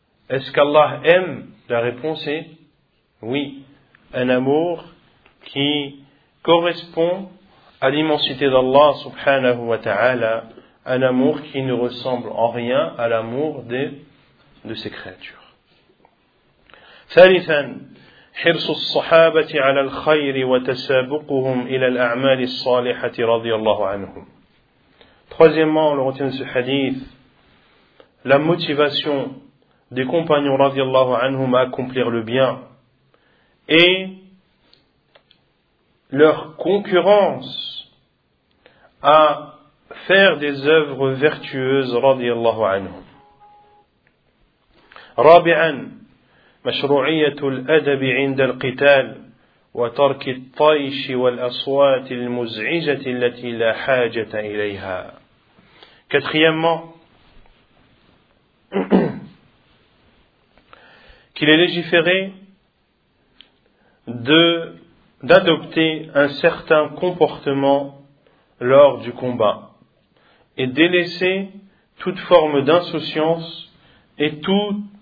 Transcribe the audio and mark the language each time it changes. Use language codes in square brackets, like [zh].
[fr] Est-ce qu'Allah aime? La réponse est oui. Un amour qui correspond à l'immensité d'Allah [ar] subhanahu wa ta'ala, [fr] un amour qui ne ressemble en rien à l'amour de ses créatures. [ar] ثالثا حرص الصحابة على الخير وتسابقهم إلى الأعمال الصالحة رضي الله عنهم. [fr] Troisièmement, on retient ce hadith, la motivation des compagnons [ar] رضي الله عنهم [fr] à accomplir le bien et leur concurrence à faire des œuvres vertueuses رضي الله عنهم. [ar] رابعا, مشروعية الأدب عند القتال وترك الطيش والأصوات المزعجة التي لا حاجة إليها. [fr] Quatrièmement, qu'il est légiféré d'adopter un certain comportement lors du combat et délaisser toute forme d'insouciance et toute